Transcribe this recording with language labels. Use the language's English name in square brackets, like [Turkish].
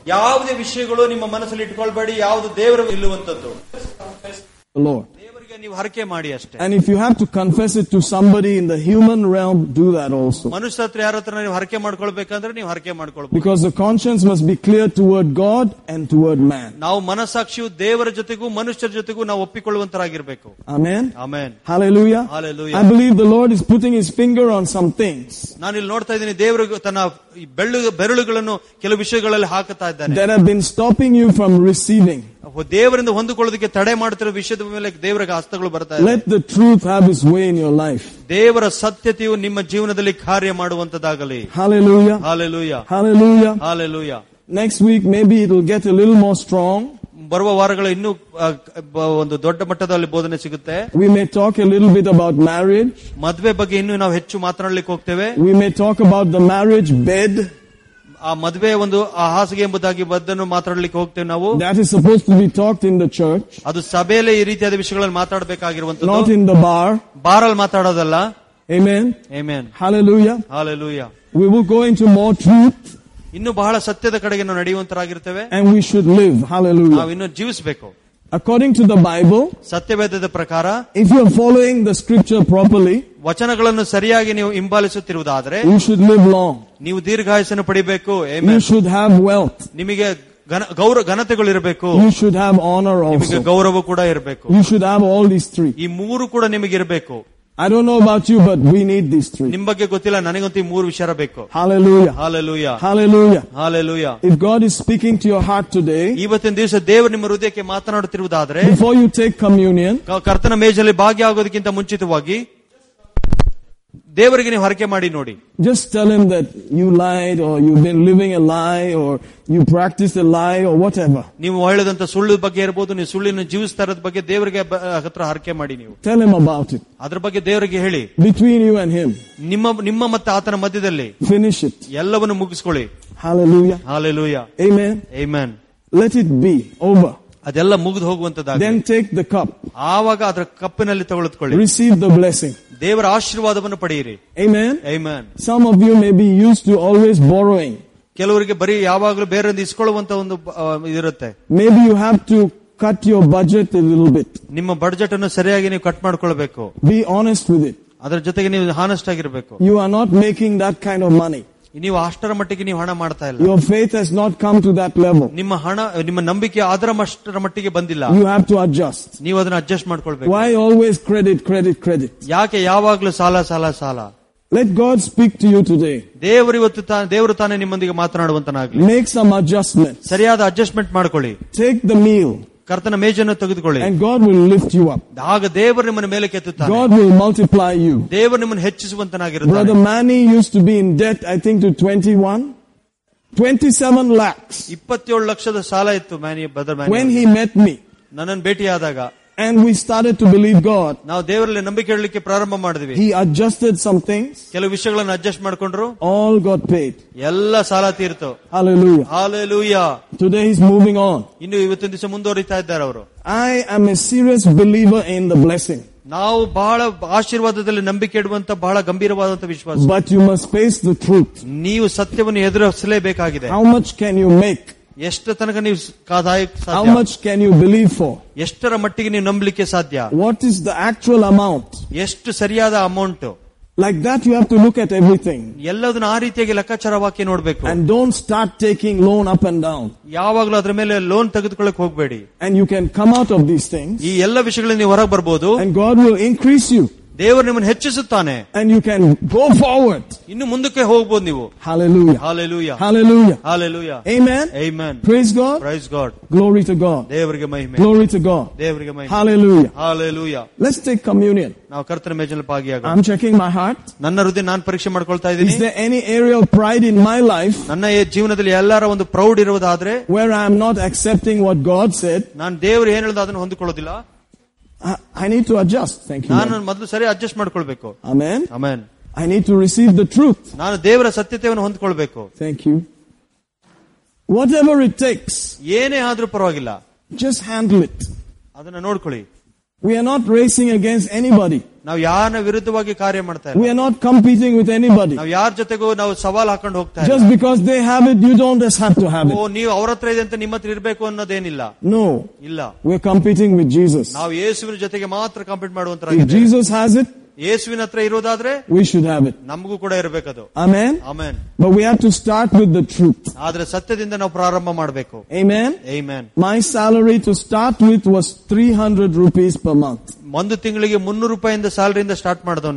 [Kannada] ಯಾವುದೇ ವಿಷಯಗಳು ನಿಮ್ಮ ಮನಸ್ಸಲ್ಲಿ ಇಟ್ಕೊಳ್ಬೇಡಿ. ಯಾವುದು ದೇವರು ಇಲ್ಲುವಂತದ್ದು ದೇವರಿಗೆ ನೀವು ಹರಕೆ ಮಾಡಿ ಅಷ್ಟೇ. [English] And if you have to confess it to somebody in the human realm, do that also. [Kannada] ಮನುಷ್ಯ ಹತ್ರ ಯಾರ ಹತ್ರ ನೀವು ಹರಕೆ ಮಾಡ್ಕೊಳ್ಬೇಕಂದ್ರೆ ನೀವು ಹರಕೆ ಮಾಡ್ಕೊಳ್ಬೇಕು. [English] Because the conscience must be clear toward God and toward man. [Kannada] ನಾವು ಮನಸ್ಸಾಕ್ಷಿಯು ದೇವರ ಜೊತೆಗೂ ಮನುಷ್ಯರ ಜೊತೆಗೂ ನಾವು ಒಪ್ಪಿಕೊಳ್ಳುವಂತರಾಗಿರಬೇಕು. [English] Amen. Amen. Hallelujah. Hallelujah. I believe the Lord is putting his finger on some things. [Kannada] ನಾನು ಇಲ್ಲಿ ನೋಡ್ತಾ ಇದ್ದೀನಿ ದೇವರು ತನ್ನ ಬೆರಳುಗಳನ್ನು ಕೆಲವು ವಿಷಯಗಳಲ್ಲಿ ಹಾಕುತ್ತಾ ಇದ್ದಾನೆ. [English] That have been stopping you from receiving. [Kannada] ದೇವರಿಂದ ಹೊಂದಿಕೊಳ್ಳೋದಕ್ಕೆ ತಡೆ ಮಾಡುತ್ತಿರುವ ವಿಷಯದ ಮೇಲೆ ದೇವರಿಗೆ ಹಸ್ತಗಳು ಬರ್ತಾ ಇದೆ. [English] Let the truth have its way in your life. [Kannada] ದೇವರ ಸತ್ಯತೆಯು ನಿಮ್ಮ ಜೀವನದಲ್ಲಿ ಕಾರ್ಯ ಮಾಡುವಂತದಾಗಲಿ. [English] Hallelujah. Hallelujah. Hallelujah. Hallelujah. Next week maybe it will get a little more strong. [Kannada] ಬರುವ ವಾರಗಳಲ್ಲಿ ಇನ್ನೂ ಒಂದು ದೊಡ್ಡ ಮಟ್ಟದಲ್ಲಿ ಬೋಧನೆ ಸಿಗುತ್ತೆ. [English] We may talk a little bit about marriage. [Kannada] ಮದುವೆ ಬಗ್ಗೆ ಇನ್ನೂ ನಾವು ಹೆಚ್ಚು ಮಾತನಾಡಲಿಕ್ಕೆ ಹೋಗ್ತೇವೆ. [English] We may talk about the marriage bed. [Kannada] ಆ ಮದುವೆ ಒಂದು ಆ ಹಾಸಿಗೆ ಎಂಬುದಾಗಿ ಬದ್ದನ್ನು ಮಾತಾಡಲಿಕ್ಕೆ ಹೋಗ್ತೇವೆ ನಾವು. [English] That is supposed to be talked in the church. [Kannada] ಅದು ಸಭೆಯಲ್ಲಿ ಈ ರೀತಿಯಾದ ವಿಷಯಗಳನ್ನು ಮಾತಾಡಬೇಕಾಗಿರುವಂತದ್ದು. [English] Not in the bar. [Kannada] Bar ಅಲ್ಲಿ ಮಾತಾಡೋದಲ್ಲ. [English] Amen. Amen. Hallelujah. Hallelujah. We will go into more truth. [Kannada] ಇನ್ನು ಬಹಳ ಸತ್ಯದ ಕಡೆಗೆ ನಾವು ನಡೆಯುವಂತರಾಗಿರ್ತೇವೆ. [English] And we should live. Hallelujah. [Kannada] ನಾವು ಇನ್ನು ಜೀವಿಸಬೇಕು. [English] According to the Bible, [Kannada] ಸತ್ಯವೇದದ ಪ್ರಕಾರ, [English] if you are following the scripture properly, [Kannada] ವಚನಗಳನ್ನು ಸರಿಯಾಗಿ ನೀವು ಹಿಂಬಾಲಿಸುತ್ತಿರುವುದಾದರೆ, [English] you should live long. [Kannada] ನೀವು ದೀರ್ಘಾಯಸ್ಸನ್ನು ಪಡಿಬೇಕು. [English] You should have wealth. [Kannada] ನಿಮಗೆ ಘನತೆಗಳಿರಬೇಕು. [English] You should have honor also. [Kannada] ನಿಮಗೆ ಗೌರವ ಕೂಡ ಇರಬೇಕು. [English] You should have all these three. [Kannada] ಈ ಮೂರು ಕೂಡ ನಿಮಗೆ ಇರಬೇಕು. [English] I don't know about you, but we need these three. [Kannada] ನಿಮ್ಮ ಬಗ್ಗೆ ಗೊತ್ತಿಲ್ಲ, ನನಗಂತೂ ಈ ಮೂರು ವಿಷಯ ಬೇಕು. [English] Hallelujah. Hallelujah. Hallelujah. Hallelujah. If God is speaking to your heart today, [Kannada] ಇವತ್ತಿನ ದಿವಸ ದೇವರು ನಿಮ್ಮ ಹೃದಯಕ್ಕೆ ಮಾತನಾಡುತ್ತಿರುವುದಾದ್ರೆ, [English] before you take communion, [Kannada] ಕರ್ತನ ಮೇಜಲ್ಲಿ ಭಾಗಿಯಾಗೋದಕ್ಕಿಂತ ಮುಂಚಿತವಾಗಿ ದೇವರಿಗೆ ನೀವು ಹರಕೆ ಮಾಡಿ ನೋಡಿ. [English] Just tell him that you lied or you've been living a lie or you practice a lie or whatever. [Kannada] ನೀವು ಹೇಳಿದಂತ ಸುಳ್ಳು ಬಗ್ಗೆ ಇರಬಹುದು, ನೀವು ಸುಳ್ಳಿನ ಜೀವಿಸ್ತಾ ಇರೋದ್ ಬಗ್ಗೆ ದೇವರಿಗೆ ಹತ್ರ ಹರಕೆ ಮಾಡಿ. ನೀವು [English] tell him about it. [Kannada] ಅದ್ರ ಬಗ್ಗೆ ದೇವರಿಗೆ ಹೇಳಿ. [English] Between you and him. [Kannada] ನಿಮ್ಮ ಮತ್ತೆ ಆತನ ಮಧ್ಯದಲ್ಲಿ. [English] Finish it. [Kannada] ಎಲ್ಲವನ್ನು ಮುಗಿಸ್ಕೊಳ್ಳಿ. [English] Hallelujah. Hallelujah. Amen. Amen. Let it be over. [Kannada] ಅದೆಲ್ಲ ಮುಗಿದು ಹೋಗುವಂತದ್ದು. [English] Then take the cup. [Kannada] ಆವಾಗ ಅದರ ಕಪ್ಪಿನಲ್ಲಿ ತಗೊಳ್ಳಿ. [English] Receive the blessing. [Kannada] ದೇವರ ಆಶೀರ್ವಾದವನ್ನು ಪಡೆಯಿರಿ. [English] Amen. Amen. Some of you may be used to always borrowing. [Kannada] ಕೆಲವರಿಗೆ ಬರೀ ಯಾವಾಗಲೂ ಬೇರೆಯಿಂದ ಇಸ್ಕೊಳ್ಳುವಂತ ಒಂದು ಇದಿರುತ್ತೆ. [English] Maybe you have to cut your budget a little bit. [Kannada] ನಿಮ್ಮ ಬಜೆಟ್ ಅನ್ನು ಸರಿಯಾಗಿ ನೀವು ಕಟ್ ಮಾಡ್ಕೊಳ್ಬೇಕು. [English] Be honest with it. [Kannada] ಅದರ ಜೊತೆಗೆ ನೀವು ಹಾನೆಸ್ಟ್ ಆಗಿರಬೇಕು. [English] You are not making that kind of money. [Kannada] ನೀವು ಅಷ್ಟರ ಮಟ್ಟಿಗೆ ನೀವು ಹಣ ಮಾಡ್ತಾ ಇಲ್ಲ. [English] Your faith has not come to that level. [Kannada] ನಿಮ್ಮ ಹಣ ನಿಮ್ಮ ನಂಬಿಕೆ ಅದರ ಅಷ್ಟರ ಮಟ್ಟಿಗೆ ಬಂದಿಲ್ಲ. [English] You have to adjust. [Kannada] ನೀವು ಅದನ್ನ ಅಡ್ಜಸ್ಟ್ ಮಾಡ್ಕೊಳ್ಬೇಕು. [English] Why always credit, credit, credit? [Kannada] ಯಾಕೆ ಯಾವಾಗಲೂ ಸಾಲ ಸಾಲ ಸಾಲ? [English] Let God speak to you today. [Kannada] ದೇವರಿವತ್ತು ದೇವರು ತಾನೇ ನಿಮ್ಮೊಂದಿಗೆ ಮಾತನಾಡುವಂತನಾಗಲಿ. [English] Make some adjustments. [Kannada] ಸರಿಯಾದ ಅಡ್ಜಸ್ಟ್ಮೆಂಟ್ ಮಾಡ್ಕೊಳ್ಳಿ. [English] Take the meal. [Kannada] ಕರ್ತನ ಮೇಜನ್ನು ತೆಗೆದುಕೊಳ್ಳಿ. [English] And God will lift you up. [Kannada] ಆಗ ದೇವರು ನಿಮ್ಮನ್ನು ಮೇಲೆ ಕೆತ್ತುತ್ತಾನೆ. [English] God will multiply you. [Kannada] ದೇವರು ನಿಮ್ಮನ್ನು ಹೆಚ್ಚಿಸುವಂತನಾಗಿರುತ್ತಾನೆ. [English] Brother Manny used to be in debt, I think, to 21. 27 lakhs. [Kannada] 27 ಲಕ್ಷದ ಸಾಲ ಇತ್ತು Manny, brother Manny. [English] When he met me. [Kannada] ನನ್ನನ್ನು ಭೇಟಿಯಾದಾಗ. [English] And we started to believe God. [Kannada] ನಾವು ದೇವರಲ್ಲಿ ನಂಬಿಕೆ ಇಡಲಿಕ್ಕೆ ಪ್ರಾರಂಭ ಮಾಡಿದ್ವಿ. [English] He adjusted some things. [Kannada] ಕೆಲವು ವಿಷಯಗಳನ್ನು ಅಡ್ಜಸ್ಟ್ ಮಾಡಿಕೊಂಡ್ರು. [English] All got paid. [Kannada] ಎಲ್ಲ ಸಾಲ ತೀರ್ತು. [English] Hallelujah. Hallelujah. Today he's moving on. ಇನ್ನು ಇವತ್ತಿನ ದಿವಸ ಮುಂದುವರಿತಾ ಇದ್ದಾರೆ ಅವರು. I am a serious believer in the blessing. [Kannada] ನಾವು ಬಹಳ ಆಶೀರ್ವಾದದಲ್ಲಿ ನಂಬಿಕೆ ಇಡುವಂತ ಬಹಳ ಗಂಭೀರವಾದಂತಹ ವಿಶ್ವಾಸ. [English] But you must face the truth. [Kannada] ನೀವು ಸತ್ಯವನ್ನು ಎದುರಿಸಲೇಬೇಕಾಗಿದೆ. [English] How much can you make? [Kannada] ಎಷ್ಟು ತನಕ ನೀವು ಕಾದಾಯ ಸಾಧ್ಯ? [English] How much can you believe for? [Kannada] ಎಷ್ಟರ ಮಟ್ಟಿಗೆ ನೀವು ನಂಬಲಿಕ್ಕೆ ಸಾಧ್ಯ? [English] What is the actual amount? [Kannada] ಎಷ್ಟು ಸರಿಯಾದ amount? [English] Like that you have to look at everything. [Kannada] ಎಲ್ಲದನ್ನ ಆ ರೀತಿಯಾಗಿ ಲೆಕ್ಕಾಚಾರ ಹಾಕಿ ನೋಡಬೇಕು. [English] And don't start taking loan up and down. [Kannada] ಯಾವಾಗಲೂ ಅದರ ಮೇಲೆ ಲೋನ್ ತೆಗೆದುಕೊಳ್ಳಕ್ಕೆ ಹೋಗಬೇಡಿ. [English] And you can come out of these things. [Kannada] ಈ ಎಲ್ಲ ವಿಷಯಗಳಿಂದ ನೀವು ಹೊರಗೆ ಬರಬಹುದು. [English] And God will increase you. [Kannada] ದೇವರು ನಿಮ್ಮನ್ನು ಹೆಚ್ಚಿಸುತ್ತಾನೆ. [English] And you can go forward. [Kannada] ಇನ್ನು ಮುಂದಕ್ಕೆ ಹೋಗಬಹುದು ನೀವು. [English] Hallelujah. Hallelujah. Hallelujah. Hallelujah. Amen. Amen. Praise God. Praise God. Glory to God. [Kannada] ದೇವರಿಗೆ ಮಹಿಮೆ. [English] Glory to God. [Kannada] ದೇವರಿಗೆ ಮಹಿಮೆ. [English] Hallelujah. Hallelujah. Let's take communion. [Kannada] ನಾವು ಕರ್ತನ ಮೇಜಲ್ಲಿ ಭಾಗಿಯಾಗ. [English] I'm checking my heart. [Kannada] ನನ್ನ ಹೃದಯ ನಾನು ಪರೀಕ್ಷೆ ಮಾಡ್ಕೊಳ್ತಾ ಇದ್ದೀನಿ. [English] Is there any area of pride in my life? [Kannada] ನನ್ನ ಜೀವನದಲ್ಲಿ ಎಲ್ಲರ ಒಂದು proud ಇರುವುದಾದ್ರೆ. [English] Where I am not accepting what God said. [Kannada] ನಾನು ದೇವರು ಏನ್ ಹೇಳಿದ ಅದನ್ನು ಹೊಂದಿಕೊಳ್ಳೋದಿಲ್ಲ. [English] I need to adjust. Thank you. [Kannada] ನಾನು ಮೊದಲು ಸರಿ ಅಡ್ಜಸ್ಟ್ ಮಾಡ್ಕೊಳ್ಬೇಕು. [English] Amen. Amen. I need to receive the truth. [Kannada] ನಾನು ದೇವರ ಸತ್ಯತೆಯನ್ನು ಹೊಂದ್ಕೊಳ್ಬೇಕು. [English] Thank you. Whatever it takes. [Kannada] ಏನೇ ಆದರೂ ಪರವಾಗಿಲ್ಲ. [English] Just handle it. [Kannada] ಅದನ್ನು ನೋಡ್ಕೊಳ್ಳಿ. [English] We are not racing against anybody. [Kannada] ನಾವು ಯಾರನ್ನ ವಿರುದ್ಧವಾಗಿ ಕಾರ್ಯ ಮಾಡ್ತಾ ಇಲ್ಲ. [English] We are not competing with anybody. [Kannada] ನಾವು ಯಾರ ಜೊತೆಗೂ ನಾವು ಸವಾಲ್ ಹಾಕೊಂಡು ಹೋಗ್ತಾ ಇಲ್ಲ. [English] Just because they have it, you don't just have to have it. [Kannada] ಓ, ನೀವು ಅವ್ರ ಹತ್ರ ಇದೆ ಅಂತ ನಿಮ್ಮ ಹತ್ರ ಇರಬೇಕು ಅನ್ನೋದೇನಿಲ್ಲ. [English] No. [Kannada] ಇಲ್ಲ. [English] We are competing with Jesus. [Kannada] ನಾವು ಯೇಸುವಿನ ಜೊತೆಗೆ ಮಾತ್ರ ಕಾಂಪೀಟ್ ಮಾಡುವಂತ. [English] If Jesus has it, [Kannada] ಯೇಸುವಿನ ಹತ್ರ ಇರೋದಾದ್ರೆ, [English] we should have it. [Kannada] ನಮಗೂ ಕೂಡ ಇರಬೇಕದು. [English] Amen. Amen. But we have to start with the truth. [Kannada] ಆದ್ರೆ ಸತ್ಯದಿಂದ ನಾವು ಪ್ರಾರಂಭ ಮಾಡಬೇಕು. [English] Amen. Amen. My salary to start with was 300 rupees per month. [Kannada] ಒಂದು ತಿಂಗಳಿಗೆ 300 ರೂಪಾಯಿಯಿಂದ ಸ್ಯಾಲರಿಯಿಂದ ಸ್ಟಾರ್ಟ್ ಮಾಡಿದ.